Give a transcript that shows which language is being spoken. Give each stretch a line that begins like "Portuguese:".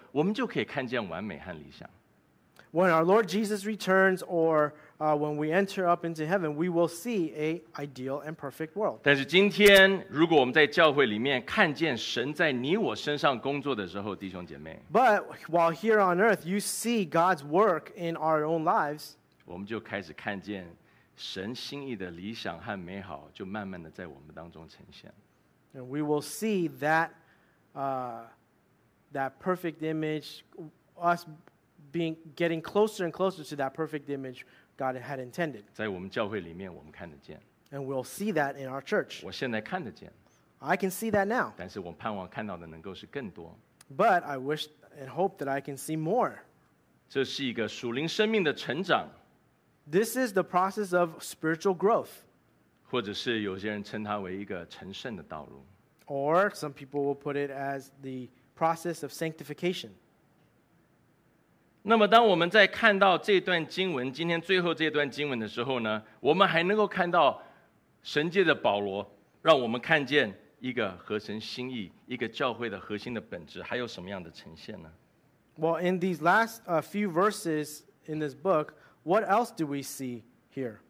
Chinese: 有朝一日，当主耶稣基督再次降临，或者是我们进入到神的国，完全降临在地上的时候，我们就可以看见完美和理想。
English: When our Lord Jesus returns, or when we enter up into heaven, we will see an ideal and perfect world.
Chinese: 但是今天，如果我们在教会里面看见神在你我身上工作的时候，弟兄姐妹，
English: But while here on earth, you see God's work in our own lives.
Chinese: 我们就开始看见神心意的理想和美好，就慢慢的在我们当中呈现。
English: And we will see that that perfect image, us being getting closer and closer to that perfect image God had intended.
Chinese: 在我们教会里面，我们看得见。
English: And we'll see that in our church.
Chinese: 我现在看得见。
English: I can see that now.
Chinese: 但是我盼望看到的能够是更多。
English: But I wish and hope that I can see more.
Chinese: 这是一个属灵生命的成长。
English: This is the process of spiritual growth.
Chinese: 或者是有些人称它为一个成圣的道路。
English: Or some people will put it as the process of sanctification.
Chinese: 那么当我们在看到这段经文，今天最后这段经文的时候呢，我们还能够看到神借着保罗，让我们看见一个合神心意，一个教会的核心的本质，还有什么样的呈现呢？
English: Well, in these last few verses in this book, what else do we see here?